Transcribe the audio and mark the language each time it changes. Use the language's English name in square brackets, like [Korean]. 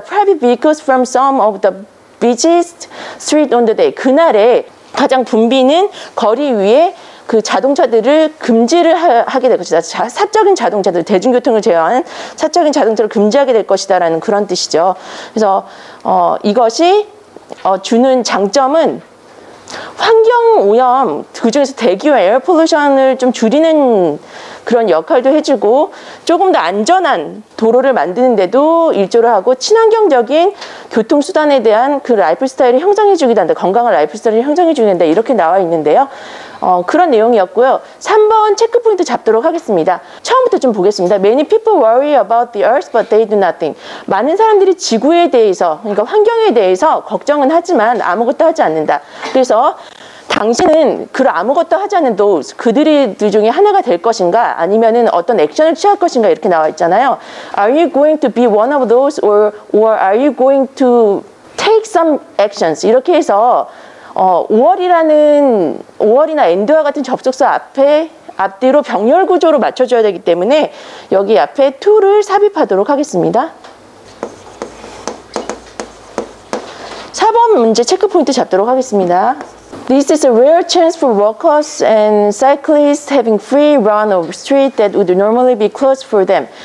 [English] Private vehicles from some of the busiest street on the day. [Korean] 그날에 가장 붐비는 거리 위에 그 자동차들을 금지를 하게 될 것이다. 사적인 자동차들, 대중교통을 제외한 사적인 자동차를 금지하게 될 것이다 라는 그런 뜻이죠. 그래서 이것이 주는 장점은 환경오염, 그중에서 대기와 에어폴루션을 좀 줄이는 그런 역할도 해주고 조금 더 안전한 도로를 만드는데도 일조를 하고 친환경적인 교통수단에 대한 그 라이프스타일을 형성해주기도 한다. 건강한 라이프스타일을 형성해주기도 한다. 이렇게 나와 있는데요. 그런 내용이었고요. 3번 체크포인트 잡도록 하겠습니다. 처음부터 좀 보겠습니다. [English] Many people worry about the earth, but they do nothing. [Korean] 많은 사람들이 지구에 대해서, 그러니까 환경에 대해서 걱정은 하지만 아무것도 하지 않는다. 그래서 당신은 그런 아무것도 하지 않는 those, 그들이 둘 중에 하나가 될 것인가, 아니면은 어떤 액션을 취할 것인가, 이렇게 나와 있잖아요. [English] Are you going to be one of those or are you going to take some actions? [Korean] 이렇게 해서 or이나 end와 같은 접속사 앞뒤로 병렬 구조로 맞춰줘야 되기 때문에 여기 앞에 to를 삽입하도록 하겠습니다. 4번 문제 체크포인트 잡도록 하겠습니다. [English] This is a rare chance for walkers and cyclists having free run of street that would normally be closed for them.